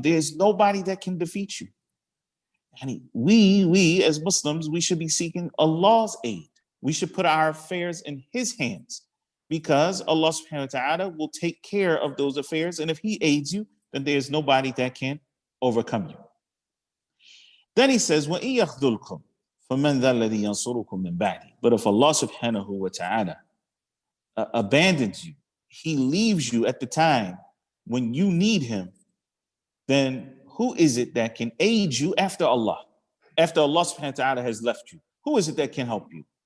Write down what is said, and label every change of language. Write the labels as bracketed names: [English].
[English] There's nobody that can defeat you. And we as Muslims, we should be seeking Allah's aid. We should put our affairs in His hands, because Allah subhanahu wa ta'ala will take care of those affairs. And if He aids you, then there's nobody that can overcome you. Then he says, [Arabic] وَإِن يَخْذُلْكُمْ فَمَنْ ذَا الَّذِي يَنْصُرُكُمْ مِنْ بَعْدِهِ. [English] But if Allah subhanahu wa ta'ala abandons you, He leaves you at the time when you need Him, then who is it that can aid you after Allah? After Allah subhanahu wa ta'ala has left you, who is it that can help you?